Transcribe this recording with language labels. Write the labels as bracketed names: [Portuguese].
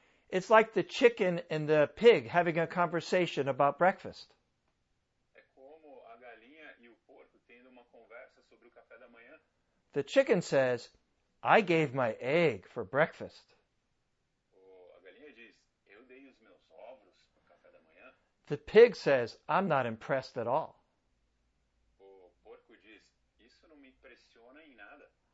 [English] It's like the chicken and the pig having a conversation about breakfast. [Portuguese] É como a galinha e o porco tendo uma conversa sobre o café da manhã. [English] The chicken says, I gave my egg for breakfast. [Portuguese] A galinha diz, eu dei os meus ovos pro café da manhã. [English] The pig says, I'm not impressed at all. [Portuguese] O porco diz, isso não me impressiona em nada.